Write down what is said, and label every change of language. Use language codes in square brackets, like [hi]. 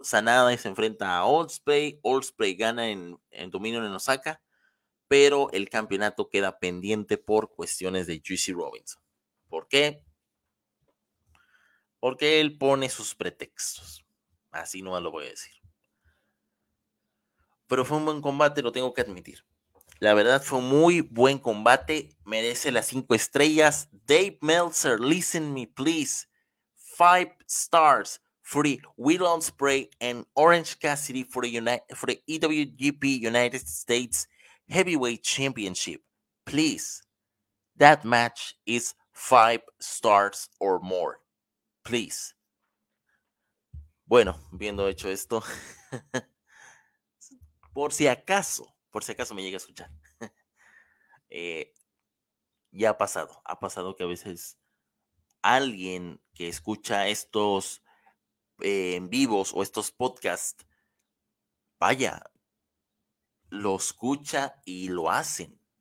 [es] Sanada se enfrenta a Ospreay. Ospreay gana en dominio en Osaka, pero el campeonato queda pendiente por cuestiones de Juicy Robinson. ¿Por qué? Porque él pone sus pretextos. Así nomás lo voy a decir. Pero fue un buen combate, lo tengo que admitir. La verdad, fue un muy buen combate. Merece las 5 estrellas. [en] Dave Meltzer, listen me, please. 5 stars for the Will Ospreay and Orange Cassidy for the EWGP United States Heavyweight Championship. Please. That match is 5 stars or more. Please. [es] Bueno, habiendo hecho esto, por si acaso me llega a escuchar, ya ha pasado que a veces alguien que escucha estos en vivos o estos podcasts, vaya, lo escucha y lo hacen.